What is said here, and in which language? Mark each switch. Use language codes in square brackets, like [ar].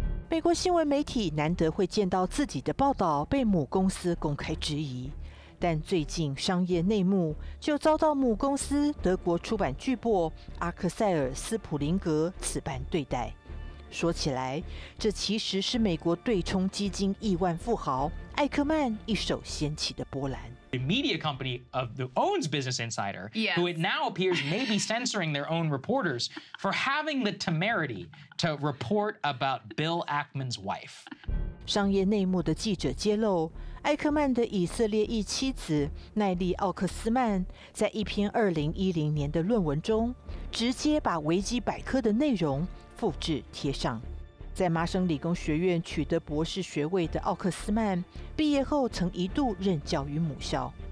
[zh] 美国新闻媒体难得会见到自己的报道被母公司公开质疑，但最近商业内幕就遭到母公司德国出版巨擘阿克塞尔斯普林格此般对待。说起来，这其实是美国对冲基金亿万富豪艾克曼一手掀起的波澜。 [en] The media company of the owns Business Insider, yes. who it now appears may be censoring their own reporters for having the temerity to report about Bill Ackman's wife. [zh] 商业内幕的记者揭露，艾克曼的以色列裔妻子奈利奥克斯曼在一篇2010年的论文中，直接把维基百科的内容复制贴上。在麻省理工学院取得博士学位的奥克斯曼，毕业后曾一度任教于母校。